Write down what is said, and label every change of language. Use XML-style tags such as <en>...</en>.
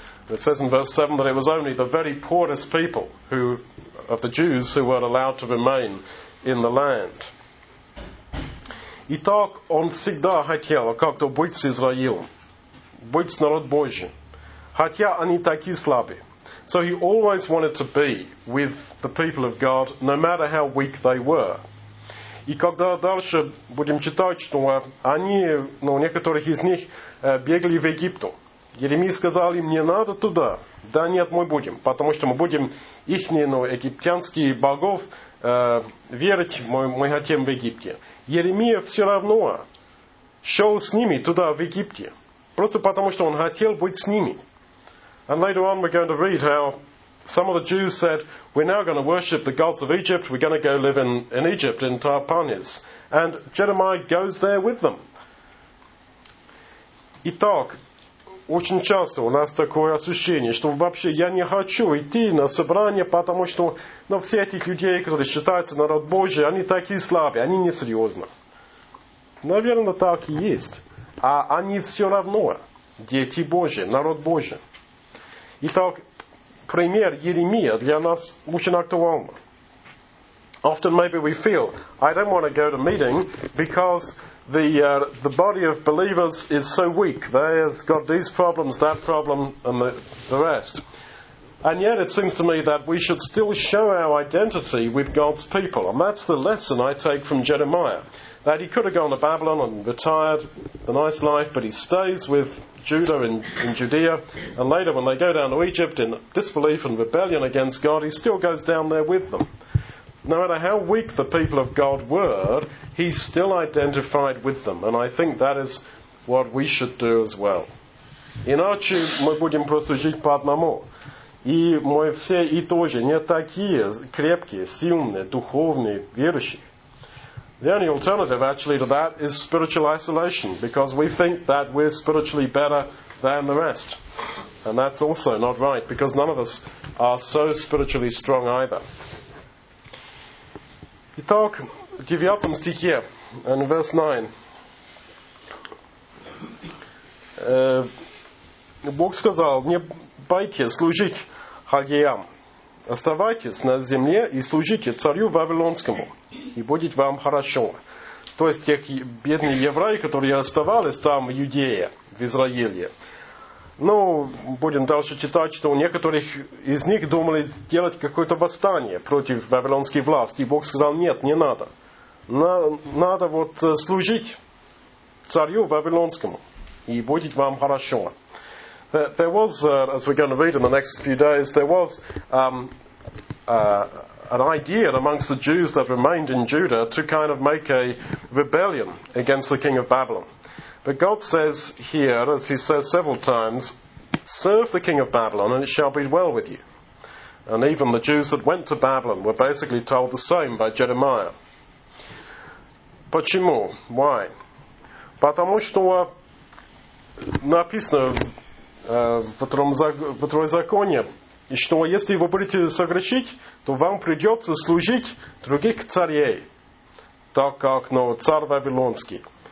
<en>It says in verse 7 that it was only the very poorest people who, of the Jews who were allowed to remain in the land.</en> <ru>Итак, он всегда хотел как-то быть с Израилем, быть с народом Божьим, хотя они такие слабые.</ru> <en>So he always wanted to be with the people of God, no matter how weak they were.</en> <ru>И когда дальше будем читать, что они, ну, некоторых из них бегали в Египту, Еремия сказал им, не надо туда, да нет, мы будем, потому что мы будем их, ну, египтянские богов верить, мы хотим в Египте. Еремия все равно шел с ними туда, в Египте, просто потому, что он хотел быть с ними.</ru> <en>And later on we're going to read how some of the Jews said, we're now going to worship the gods of Egypt, we're going to go live in Egypt, in Tarpanis. And Jeremiah goes there with them.</en> <ru>Итак, очень часто у нас такое ощущение, что вообще я не хочу идти на собрание, потому что, ну, все эти людей, которые считаются народ Божий, они такие слабые, они несерьезны. Наверное, так и есть. А они все равно дети Божьи, народ Божий. Итак, пример Еремия для нас очень актуален.</ru> <en>Often maybe we feel, I don't want to go to meeting because the body of believers is so weak. They have got these problems, that problem, and the rest. And yet it seems to me that we should still show our identity with God's people. And that's the lesson I take from Jeremiah. That he could have gone to Babylon and retired the nice life, but he stays with Judah in Judea. And later when they go down to Egypt in disbelief and rebellion against God, he still goes down there with them. No matter how weak the people of God were, he's still identified with them. And I think that is what we should do as well.</en> <ru>Иначе мы будем просто жить по одному. И мы все и тоже не такие крепкие, сильные, духовные, верующие.</ru> <en>The only alternative actually to that is spiritual isolation, because we think that we're spiritually better than the rest. And that's also not right, because none of us are so spiritually strong either.</en> <ru>Итак, в 9 стихе,</ru> <en>and verse 9,</en> <ru>Бог сказал, не бойтесь служить Халдеям. Оставайтесь на земле и служите царю Вавилонскому, и будет вам хорошо. То есть те бедные евреи, которые оставались там в Иудее, в Израиле. Ну, будем дальше читать, что у некоторых из них думали сделать какое-то восстание против вавилонской власти. И Бог сказал, нет, не надо. Надо вот служить царю Вавилонскому, и будет вам хорошо.</ru> <en>There was, as we're going to read in the next few days, there was an idea amongst the Jews that remained in Judah to kind of make a rebellion against the king of Babylon. But God says here, as he says several times, serve the king of Babylon and it shall be well with you. And even the Jews that went to Babylon were basically told the same by Jeremiah.</en> <ru>Почему?</ru> <en>Why?</en> <ru>Потому что написано в Второй законе, и что если вы будете согрешить, то вам придется служить других царей, так как царь Вавилонский.</ru>